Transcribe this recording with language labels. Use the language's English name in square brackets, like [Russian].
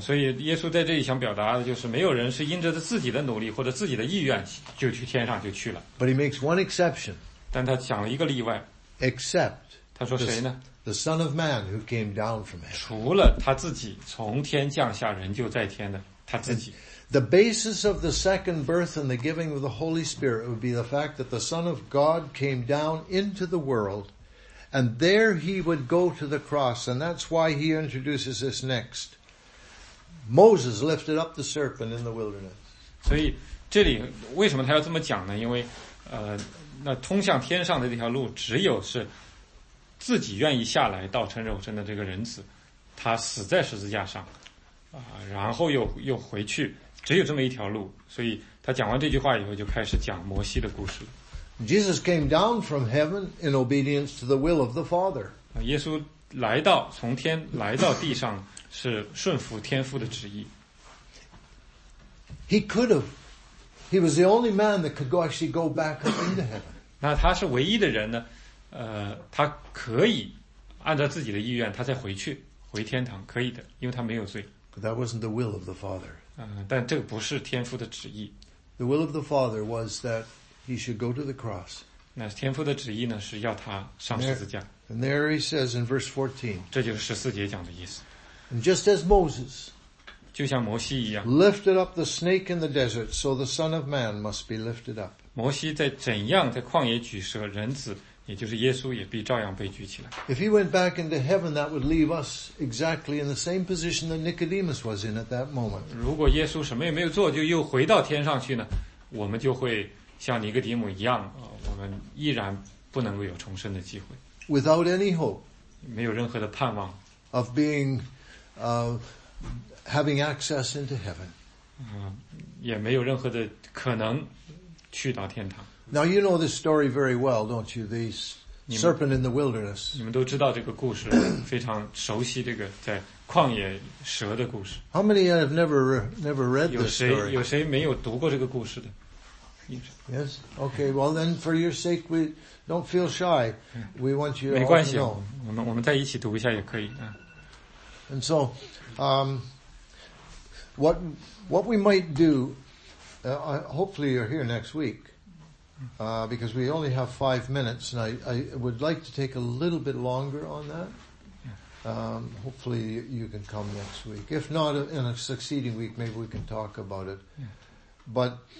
[Chinese] 所以耶稣在这里想表达的就是，没有人是因着自己的努力或者自己的意愿就去天上就去了。 [English] But he makes one exception. [Chinese] 但他讲了一个例外。 [English] Except. [Chinese] 他说谁呢？ [English] The Son of Man who came down from heaven. [Chinese] 除了他自己从天降下人就在天的他自己。 [English] The basis of the second birth and the giving of the Holy Spirit would be the fact that the Son of God came down into the world and there he would go to the cross, and that's why he introduces this next. Moses lifted up the serpent in the wilderness. [Chinese] 所以这里为什么他要这么讲呢？因为那通向天上的这条路只有是自己愿意下来道成肉身的这个人子，他死在十字架上然后又回去，只有这么一条路。所以他讲完这句话以后就开始讲摩西的故事。 [English] Jesus came down from heaven in obedience to the will of the Father. [Chinese] 耶稣来到，从天来到地上，是顺服天父的旨意。 [English] He could have. He was the only man that could actually go back up into heaven. [Chinese] 那他是唯一的人呢？他可以按照自己的意愿，他再回去，回天堂，可以的，因为他没有罪。 [English] But that wasn't the will of the Father. [Chinese] 但这个不是天父的旨意。 [English] The will of the Father was that He should go to the cross. [Chinese] 那天父的旨意呢，是要他上十字架。 [English] And there he says in verse 14. [Chinese] 这就是十四节讲的意思。 [English] And just as Moses, [Chinese] 就像摩西一样 [English] lifted up the snake in the desert, so the Son of Man must be lifted up. [Chinese] 摩西在怎样在旷野举蛇，人子也就是耶稣也必照样被举起来。 [English] If he went back into heaven, that would leave us exactly in the same position that Nicodemus was in at that moment. [Chinese] 如果耶稣什么也没有做，就又回到天上去呢，我们就会。像尼哥底母一样，我们依然不能够有重生的机会。 [English] Without any hope, [Chinese] 没有任何的盼望 [English] of being, having access into heaven. [Chinese] 也没有任何的可能去到天堂。 [English] Now you know this story very well, don't you? The serpent in the wilderness. [Chinese] 你们都知道这个故事，非常熟悉这个在旷野蛇的故事。 [English] How many have never read this story? [Chinese] 有谁没有读过这个故事的？ [English] Yes. Okay. Well, then, for your sake, we don't feel shy. We want you. [Chinese] 没关系，我们再一起读一下也可以啊。 [English] And so, what we might do, hopefully you're here next week, because we only have 5 minutes, and I would like to take a little bit longer on that. Hopefully you can come next week. If not, in a succeeding week, maybe we can talk about it. But.